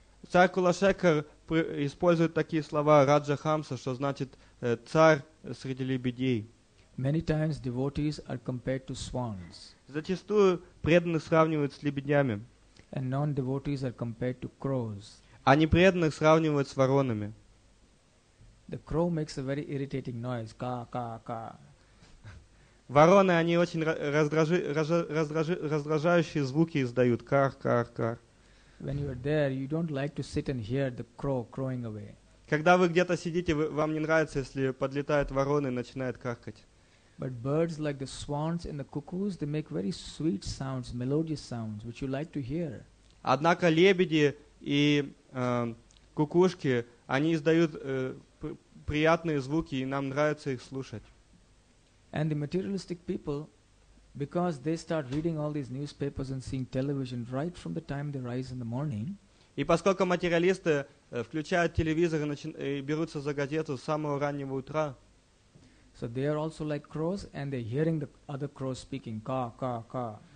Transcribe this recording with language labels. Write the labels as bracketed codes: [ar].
[ru] Царь Кулашекхар использует такие слова Раджахамса, что значит царь среди лебедей. [en] Many times devotees are compared to swans. [ru] Зачастую преданных сравнивают с лебедями. [en] And non-devotees are compared to crows. [ru] А непреданных сравнивают с воронами. [en] The crow makes a very irritating noise. Ka ka ka. [ru] Вороны, они очень раздражающие звуки издают. Кар, кар, кар. [en] When you are there, you don't like to sit and hear the crow crowing away. [ru] Когда вы где-то сидите, вам не нравится, если подлетают вороны и начинают каркать. [en] But birds like the swans and the cuckoos, they make very sweet sounds, melodious sounds, which you like to hear. [ru] Однако лебеди и кукушки, они издают приятные звуки, и нам нравится их слушать. [en] And the materialistic people, because they start reading all these newspapers and seeing television right from the time they rise in the morning, [ru] И поскольку материалисты включают телевизор и берутся за газету с самого раннего утра, [en] so they are also like crows, and they're hearing the other crows speaking, ka, ka, ka.